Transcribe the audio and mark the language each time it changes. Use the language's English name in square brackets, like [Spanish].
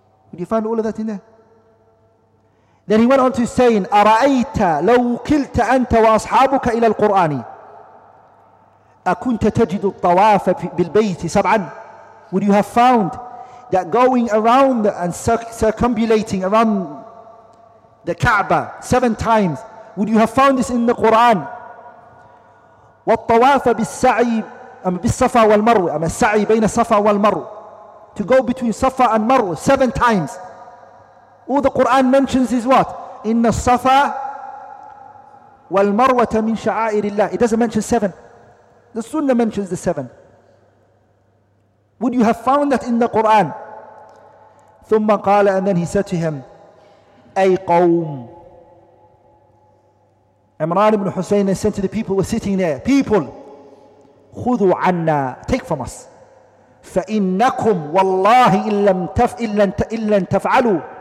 [English] Would you find all of that in there? Then he went on to saying, [Arabic] أَرَأَيْتَ لَوْ كِلْتَ أَنْتَ وَأَصْحَابُكَ إِلَى الْقُرْآنِ أَكُنْتَ تَجِدُ الطَّوَافَ بِالْبَيْتِ سَبْعًا [English] Would you have found that going around and circumambulating around the Kaaba seven times, would you have found this in the Quran? [Arabic] والطواف بالسعي بالصفا والمرو أما السعي بين الصفا والمرو [English] to go between [Arabic] صفا and مرو [English] seven times. All the Quran mentions is what? [Arabic] إن الصفا والمروة من شعائر الله. [English] It doesn't mention seven. The Sunnah mentions the seven. Would you have found that in the Quran? [Arabic] ثم قال [English] and then he said to him. [Arabic] أي قوم [English] Imran ibn Husayn said to the people who were sitting there people [Arabic] خذوا عنا [English] take from us [Arabic] فإنكم والله إن لم تفعلوا